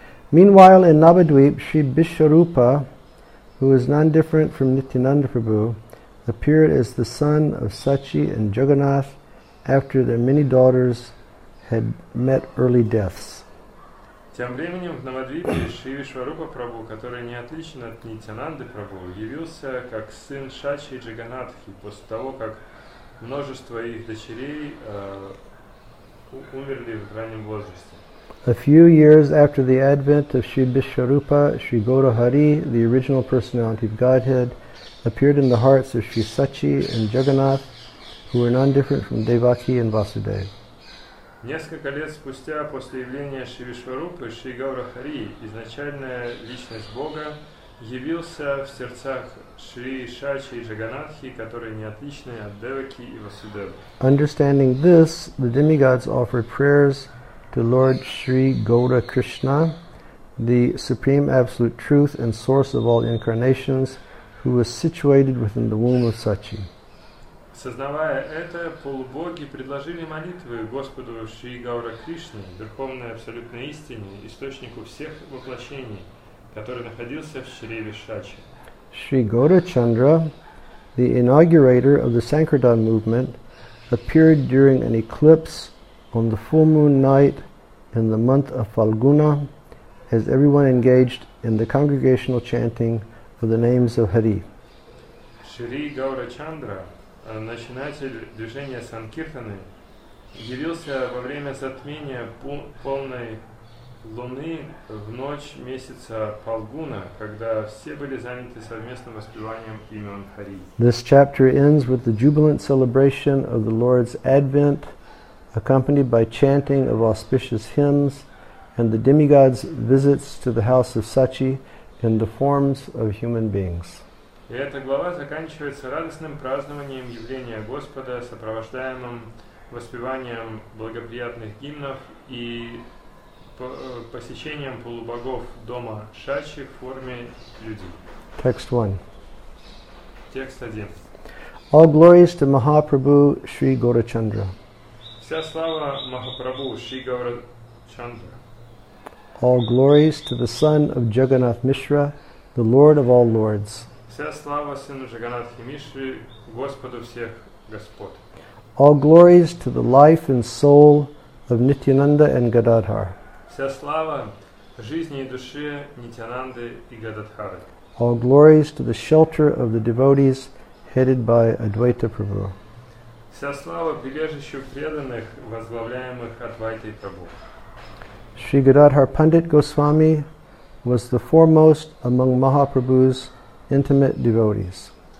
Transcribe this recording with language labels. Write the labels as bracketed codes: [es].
[en] Meanwhile, in Navadvip, Sri Bishwarupa, who is none different from Nityananda Prabhu, appeared as the son of Sachi and Jagannath after their many daughters had met early deaths. [ru] Тем временем в Навадвипе Шри Вишварупа Прабху, который не отличен от Нитянанды Прабху, явился как сын Сачи и Джаганатхи после того, как множество их дочерей умерли в раннем возрасте. [en] A few years after the advent of Sri Bishwarupa, Sri Gaurahari, the original personality of Godhead, appeared in the hearts of Sri Sachi and Jagannath, who were none different from Devaki and Vasudev. [ru] Несколько лет спустя после явления Шри Вишварупы, Шри Гаурахари, изначальная личность Бога, явился в сердцах Шри Сачи и Джаганатхи, которые не отличны от Деваки и Васудева. [en] Understanding this, the demigods offered prayers to Lord Sri Gaura Krishna, the Supreme Absolute Truth and Source of all incarnations, who was situated within the womb of Sachi. [ru] Сознавая это, полубоги предложили молитвы Господу Шри Гаура Кришне, Верховной Абсолютной Истине, источнику всех воплощений, который находился в чреве Сачи. [en] Sri Gaura Chandra, the inaugurator of the Sankirtan movement, appeared during an eclipse on the full moon night in the month of Falguna, as everyone engaged in the congregational chanting for the names of Hari. [ru] Шри Гаура Чандра, начинатель движения Санкиртаны, явился во время затмения полной луны в ночь месяца Фалгуна, когда все были заняты совместным воспеванием имен Хари. [en] This chapter ends with the jubilant celebration of the Lord's advent, accompanied by chanting of auspicious hymns and the demigods' visits to the house of Sachi in the forms of human beings. [ru] И эта глава заканчивается радостным празднованием явления Господа, сопровождаемым воспеванием благоприятных гимнов и посещением полубогов дома Сачи в форме людей. [en] Text 1. [ru] Текст 1. [en] All glories to Mahaprabhu Sri Gaurachandra. [ru] Вся слава Махапрабху Шри Гаурачандра. [en] All glories to the son of Jagannath Mishra, the Lord of all lords. [ru] Вся слава сыну Джаганатхи Мишри, Господу всех господ. [en] All glories to the life and soul of Nityananda and Gadadhar. [ru] Вся слава жизни и душе Нитянанды и Гададхары. [en] All glories to the shelter of the devotees headed by Advaita Prabhu. [ru] Вся слава прибежищу преданных, возглавляемых Адвайтой Прабху. [en] Шри Гададхар Пандит Госвами was the foremost among Mahaprabhu's intimate devotees.